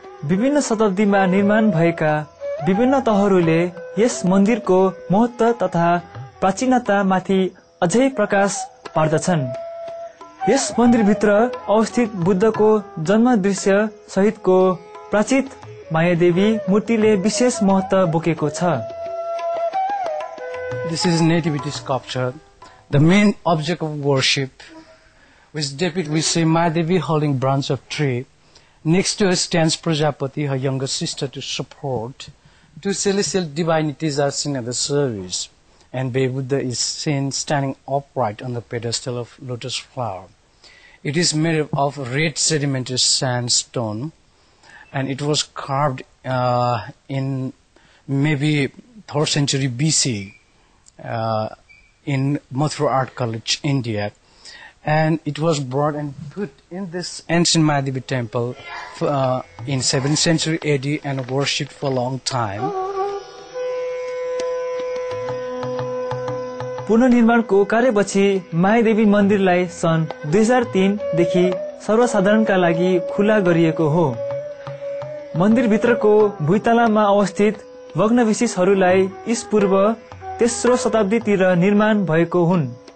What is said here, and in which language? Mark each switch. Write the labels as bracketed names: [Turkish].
[Nepali] विभिन्न शताब्दीमा निर्माण भएका विभिन्न तहहरूले यस मन्दिरको महत्त्व तथा प्राचीनतामाथि अझै प्रकाश पार्दछन्। यस मन्दिरभित्र अवस्थित बुद्धको जन्म दृश्य सहितको प्राचीन मायादेवी मूर्तिले विशेष महत्त्व बोकेको छ। [English] This is nativity sculpture. The main object of worship was depicted with say Mayadevi holding branch of tree. Next to her stands Prajapati, her younger sister, to support. Two celestial divinities are seen at the service, and Baby Buddha is seen standing upright on the pedestal of lotus flower. It is made of red sedimentary sandstone, and it was carved in maybe 3rd century BC in Mathura Art College, India. And it was brought and put in this ancient Mayadevi temple in 7th century AD and worshipped for a long time. [Nepali] पुनर्निर्माणको कार्यपछि Mayadevi मन्दिरलाई सन् 2003 सर्वसाधारणका लागि खुला गरिएको हो। मन्दिरभित्रको भुइँतालामा अवस्थित भग्नावशेषहरूलाई ईसपूर्व 3rd शताब्दीतिर निर्माण भएको हुन्।